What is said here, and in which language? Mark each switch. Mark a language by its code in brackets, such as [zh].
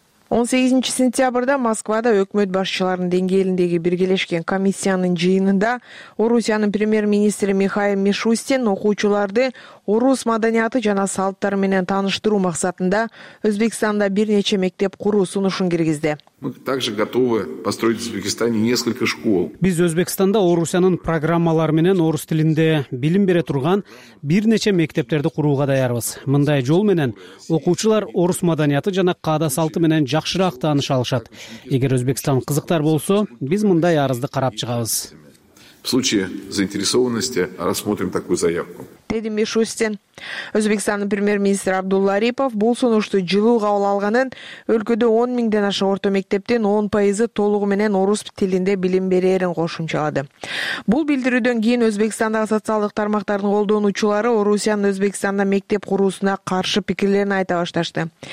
[ky] 18-сентябрда Москвада өкмөт башчыларынын деңгээлиндеги биргелешкен комиссиянын жыйынында Орусиянын премьер-министри Михаил Мишустин окуучуларды орус маданияты жана салттары менен тааныштыруу максатында Өзбекстанда бир нече мектеп куруу сунушун киргизди. [ru] Мы также готовы построить в Узбекистане несколько школ. [ky] Биз Өзбекстанда Орусиянын программалары менен орус тилинде билим бере турган бир нече мектептерди курууга даярбыз. Мындай жол менен окуучулар орус маданияты жана каада-салты менен жакшыраак тааныша алышат. Эгер Өзбекстан кызыктар болсо, биз мындай арызды карап чыгабыз. [ru] В случае заинтересованности рассмотрим такую заявку. [ky] Деди Мишустин. Өзбекстандын премьер-министри Абдулла Арипов бул сунушту жылуу кабыл алганын, өлкөдө 10,000 аша орто мектептин 10% толугу менен орус тилинде билим берээрин кошумчалады. Бул билдирүүдөн кийин Өзбекстандагы социалдык тармактардын колдонуучулары Орусиянын Өзбекстанда мектеп куруусуна каршы пикирлерин айта башташты.